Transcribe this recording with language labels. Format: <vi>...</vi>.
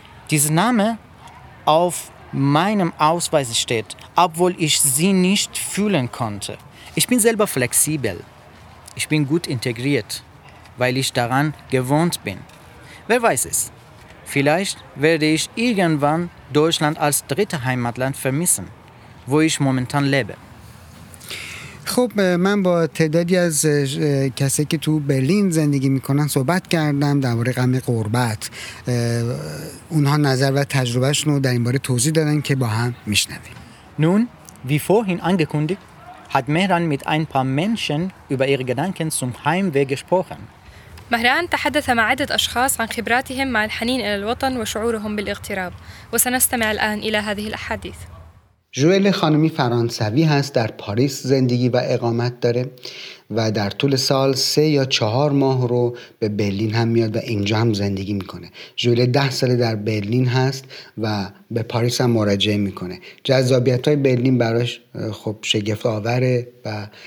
<de>Dieser Name auf meinem Ausweis steht, obwohl ich sie nicht fühlen konnte. Ich bin selber flexibel. Ich bin gut integriert, weil ich daran gewohnt bin. Wer weiß es? Vielleicht werde ich irgendwann Deutschland als drittes Heimatland vermissen, wo ich momentan lebe.</de> <fa>خب من با تعدادی از کسایی که تو برلین زندگی میکنن صحبت کردم در باره غم غربت اونها نظر و تجربهشون رو در این باره توضیح دادن که با هم میشنویم</fa> <de>Nun, wie vorhin angekündigt, hat Mehran mit ein paar Menschen über ihre Gedanken zum Heimweh gesprochen.</de> <ar>Mehran تحدث مع عدة أشخاص عن خبراتهم مع الحنين إلى الوطن وشعورهم بالاغتراب وسنستمع الآن إلى هذه الأحاديث</ar> <fa>جوئل خانمی فرانسوی هست در پاریس زندگی و اقامت داره و در طول سال 3 یا 4 ماه رو به برلین هم میاد و اینجا هم زندگی میکنه جوئل 10 ساله در برلین هست و به پاریس هم مراجعه میکنه جذابیت های برلین براش خب شگفت آوره و</fa>